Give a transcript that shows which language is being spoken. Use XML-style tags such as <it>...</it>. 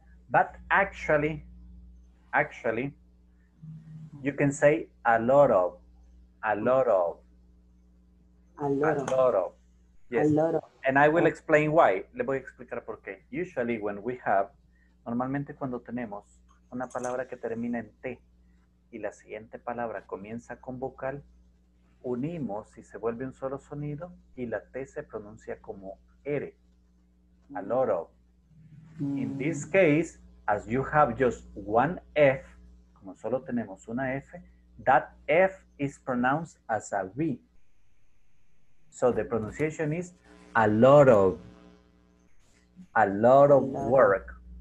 <en>But actually, you can say a lot of. And I will explain why.</en> <es>Le voy a explicar por qué.</es> <en>Usually when we have,</en> <es>normalmente cuando tenemos una palabra que termina en T y la siguiente palabra comienza con vocal, unimos y se vuelve un solo sonido y la T se pronuncia como R.</es> <en>A lot of. Mm. In this case, as you have just one F,</en> <es>como solo tenemos una F,</es> <en>that F is pronounced as a V. So the pronunciation is a lot of work.</en>